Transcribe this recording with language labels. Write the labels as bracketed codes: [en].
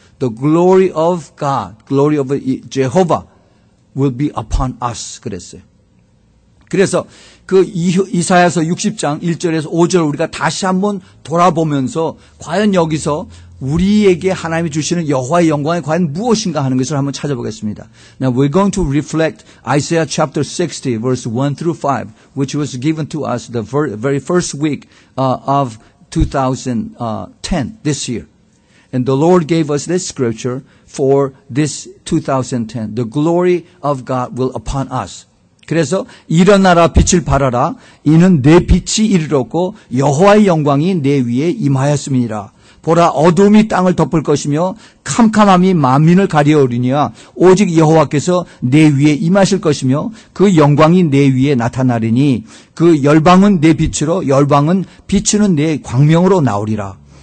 [en] The glory of God, glory of Jehovah will be upon us. [ko] 그랬어요. 그래서 그 이사야서 60장 1절에서 5절 우리가 다시 한번 돌아보면서 과연 여기서 우리에게 하나님이 주시는 여호와의 영광이 과연 무엇인가 하는 것을 한번 찾아보겠습니다. [en] Now we're going to reflect Isaiah chapter 60 verse 1 through 5 which was given to us the very first week of 2010 this year. And the Lord gave us this scripture for this 2010. The glory of God will upon us. [ko] 그래서 일어나라 빛을 발하라. 이는 내 빛이 이르렀고 여호와의 영광이 내 위에 임하였음이니라. 보라 어둠이 땅을 덮을 것이며 캄캄함이 만민을 가려오리니와 오직 여호와께서 내 위에 임하실 것이며 그 영광이 내 위에 나타나리니 그 열방은 내 빛으로 열방은 비추는 내 광명으로 나오리라.